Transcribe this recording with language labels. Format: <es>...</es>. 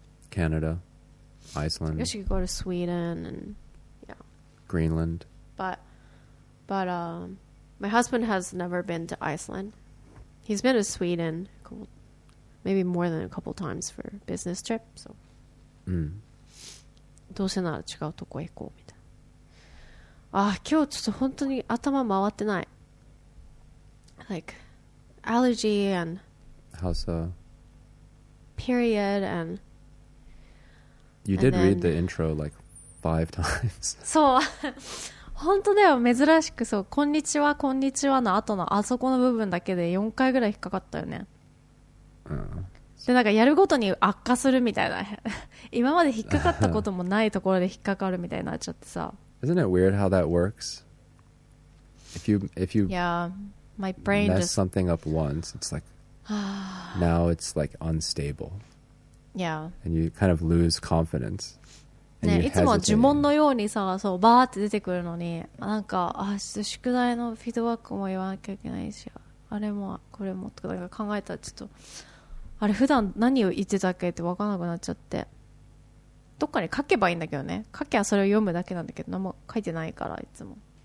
<en>Canada, Iceland. You should go to Sweden and yeah. Greenland. But my husband has never been to Iceland. He's been to Sweden maybe more than a couple times for business trip. So.</en> <ja>どうせなら違うとこ行こうみたいな。あ、今日ちょっと本当に頭回ってない。</ja> <en>Like allergy and how so? Period and you did read the intro like 5 times.</en> <ja>そう。本当だよ、珍しく。そう、こんにちはこんにちはの後のあそこの部分だけで4回ぐらい引っかかったよね、うん、でなんかやるごとに悪化するみたいな今まで引っかかったこともないところで引っかかるみたいになっちゃってさ。</ja> <en>Isn't it weird how that works? If you yeah, my brain mess something up once, it's like now it's like unstable. Yeah. And you kind of lose confidence.</en> <ja>ね、いつも呪文のようにさ、そうバーって出てくるのに、なんかあ、宿題のフィードバックも言わなきゃいけないし、あれもこれもとか、なんか考えたらちょっとあれ普段何を言ってたっけって分からなくなっちゃって、どっかに書けばいいんだけどね、書けばそれを読むだけなんだけど何も書いてないから、いつも。</ja>